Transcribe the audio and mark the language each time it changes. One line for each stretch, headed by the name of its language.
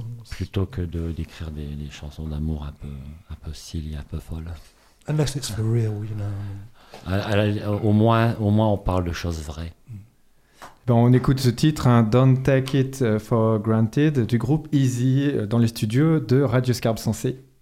French: Plutôt que de d'écrire des chansons d'amour un peu silly, un peu folle.
English: Unless it's for real, you know.
French: Au moins, on parle de choses vraies. Bon, on écoute ce titre, hein, Don't Take It For Granted, du groupe Easy, dans les studios de Radio Scarpe Sensé.